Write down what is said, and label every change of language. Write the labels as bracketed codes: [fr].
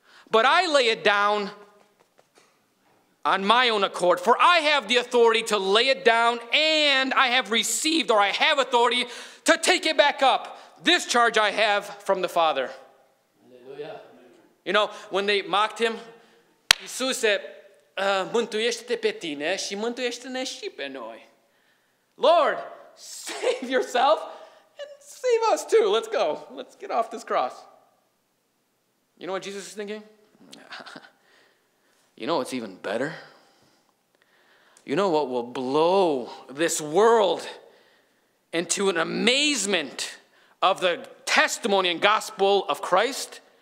[en] But I lay it down on my own accord. For I have the authority to lay it down, and I have received, or I have authority to take it back up. This charge I have from the Father. Hallelujah. You know, when they mocked him, Iisus said, [ro] mântuiește-te pe tine și mântuiește-ne și pe noi. [en] Lord, save yourself and save us too. Let's go. Let's get off this cross. You know what Jesus is thinking? You know what's even better? You know what will blow this world into an amazement of the testimony and gospel of Christ?